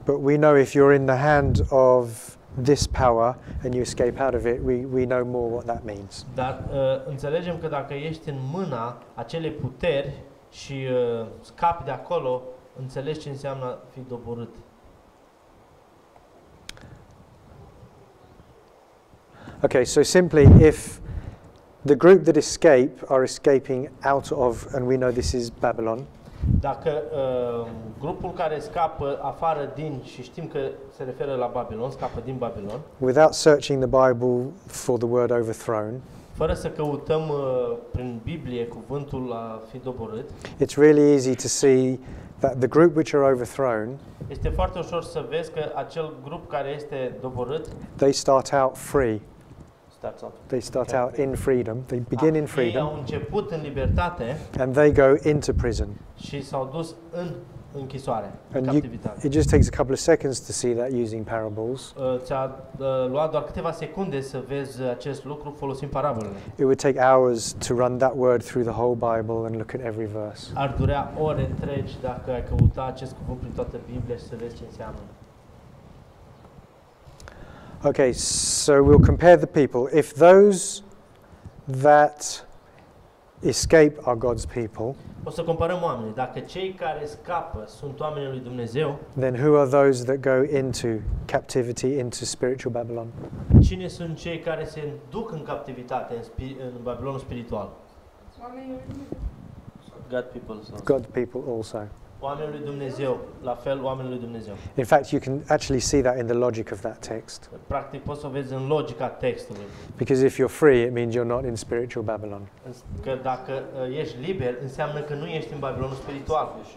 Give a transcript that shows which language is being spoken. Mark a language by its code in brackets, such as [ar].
[en] But we know if you're in the hand of this power and you escape out of it, we know more what that means. [ro] Dar înțelegem că dacă ești în mâna acelei puteri și scapi de acolo, înțelegi ce înseamnă a fi doborât. [en] Okay, so simply if the group that escape are escaping out of, and we know this is Babylon. [ro] Dacă grupul care scapă afară din și știm că se referă la Babilon, scapă din Babilon. [en] Without searching the Bible for the word overthrown. [ro] Fără să căutăm prin Biblie cuvântul a fi doborât. [en] It's really easy to see that the group which are overthrown. [ro] Este foarte ușor să vezi că acel grup care este doborât. [en] They start out free. They start out in freedom. They begin in freedom. [ro] Ei au început în libertate. [en] And they go into prison. [ro] Și s-au dus în închisoare, [en] and [ro] în captivitate. [en] It just takes a couple of seconds to see that using parables. [ro] Ți-a luat doar câteva secunde să vezi acest lucru folosind parabolele. [en] It would take hours to run that word through the whole Bible and look at every verse. [ro] Ar durea ore întregi dacă ai căuta acest cuvânt prin toată Biblia și să vezi ce înseamnă. [en] Okay, so we'll compare the people. If those that escape are God's people, [ro] o să comparăm oamenii. Dacă cei care scapă sunt oamenii lui Dumnezeu, [en] then who are those that go into captivity into spiritual Babylon? [ro] Cine sunt cei care se duc în captivitate în Babilonul spiritual? Oamenii lui Dumnezeu. [en] God people also. God people also. [ro] Oamenii lui Dumnezeu, la fel oamenii lui Dumnezeu. [en] In fact, you can actually see that in the logic of that text. [ro] Practic, poți să vezi în logica textului. [en] Because if you're free, it means you're not in spiritual Babylon. [ro] Că dacă ești liber, înseamnă că nu ești în Babilonul spiritual.